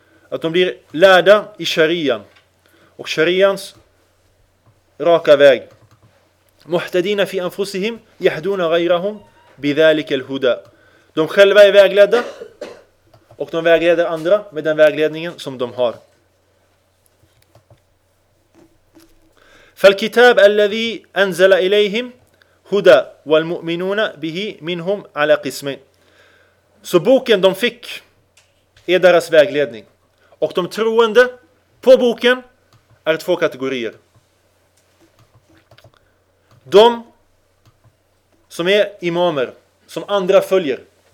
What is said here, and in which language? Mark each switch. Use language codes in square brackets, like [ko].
[sv] Att de blir lärda i sharian och sharians raka väg. [ar] Muhtadina fi anfusihim yahduna ghayrahum bidhalika alhuda. De själva är vägledda och de vägleder andra med den vägledningen som de har. فالكتاب الذي انزل اليهم هدى والمؤمنون به منهم على قسمين. [sv] Så boken de fick är deras vägledning. Och de troende på boken är två kategorier. De som är imamer, som andra följer.